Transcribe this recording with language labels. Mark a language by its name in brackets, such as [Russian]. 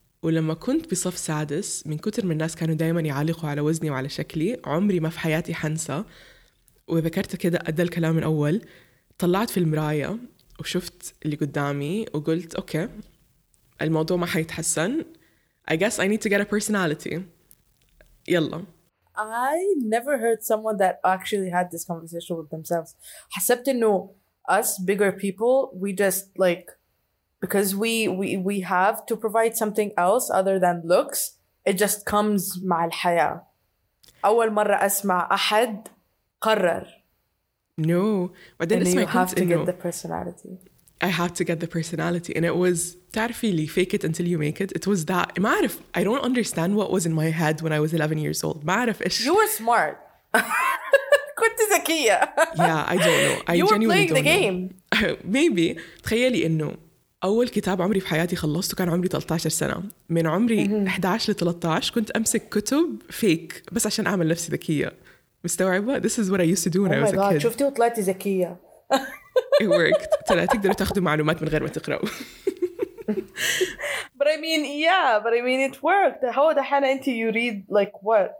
[Arabic] ولما كنت بصف سادس من كتر من الناس كانوا دايما يعلقوا على وزني وعلى شكلي, عمري ما في حياتي حنسى, وذكرت كده أدى الكلام الأول, طلعت في المراية وشفت اللي قدامي وقلت أوكي الموضوع ما حيتحسن, [English] I guess I need to get a personality. [Arabic] يلا. [English] I never heard someone that actually had this conversation with themselves. [Arabic] حسبت إنه [English] us bigger people we just like because we have to provide something else other than looks, it just comes [Arabic] مع الحياة. أول مرة أسمع أحد قرر. [English] No. And you have to get the personality. I have to get the personality. And it was, [Arabic] تعرفي لي, [English] fake it until you make it. It was that. [Arabic] ما عارف, [English] I don't understand what was in my head when I was 11 years old. [Arabic] ما عارف إيش. [English] You were smart. [Arabic] كنت ذكية. [English] Yeah, I don't know. You were playing the game. Maybe. [Arabic] تخيلي إنه أول كتاب عمري في حياتي خلصته كان عمري 13 سنة. من عمري 11 ل 13 كنت أمسك كتب fake بس عشان أعمل نفسي ذكية. مستوعبة؟ [English] This is what I used to do when I was a kid. [Arabic] شفتي وطلعتي ذكية. [English] It worked. [Arabic] طلع تقدروا تاخذوا معلومات من غير ما تقرأوا. [English] But I mean, yeah, but I mean it worked. How the hell are you read like what?